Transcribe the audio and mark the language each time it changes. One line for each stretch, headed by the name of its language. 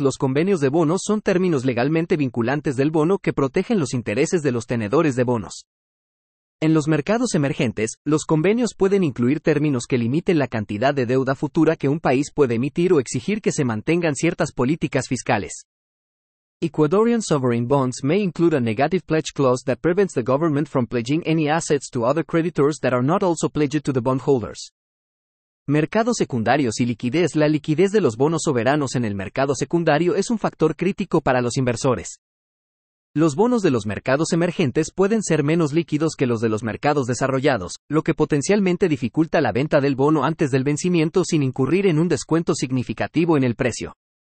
Spanish: Los convenios de bonos son términos legalmente vinculantes del bono que protegen los intereses de los tenedores de bonos. En los mercados emergentes, los convenios pueden incluir términos que limiten la cantidad de deuda futura que un país puede emitir o exigir que se mantengan ciertas políticas fiscales.
English: Ecuadorian sovereign bonds may include a negative pledge clause that prevents the government from pledging any assets to other creditors that are not also pledged to the bondholders.
Spanish: Mercados secundarios y liquidez. La liquidez de los bonos soberanos en el mercado secundario es un factor crítico para los inversores. Los bonos de los mercados emergentes pueden ser menos líquidos que los de los mercados desarrollados, lo que potencialmente dificulta la venta del bono antes del vencimiento sin incurrir en un descuento significativo en el precio.